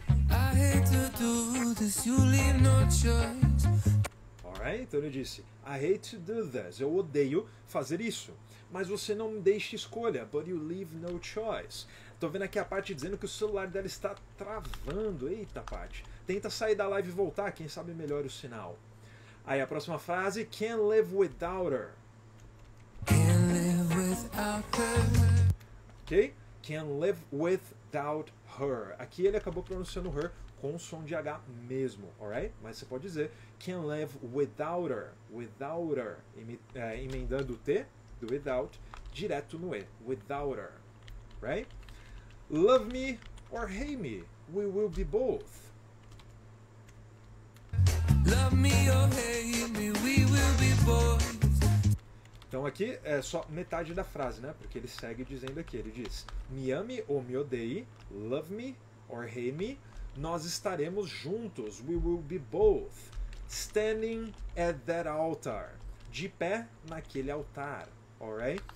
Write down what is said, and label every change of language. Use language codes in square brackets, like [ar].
[en] I hate to do this, you leave no choice. Alright? [pt] Então ele disse, [en] I hate to do this, [pt] eu odeio fazer isso. Mas você não me deixa escolha. [en] But you leave no choice. [pt] Tô vendo aqui a Paty dizendo que o celular dela está travando. Eita, Paty. Tenta sair da live e voltar. Quem sabe melhore o sinal. Aí a próxima frase. [en] Can't live without her. Can't live without her. Ok? can live without her. [pt] Aqui ele acabou pronunciando her com som de H mesmo, alright? Mas você pode dizer [en] can live without her, without her, [pt] emendando o T do without direto no E, without her, right? [en] Love me or hate me, we will be both. Love me or hate me, we will be both. [pt] Então aqui é só metade da frase, né? Porque ele segue dizendo aqui, ele diz me ame ou me odeie, [en] love me or hate me, [pt] nós estaremos juntos, [en] we will be both, standing at that altar, [pt] de pé naquele altar, alright?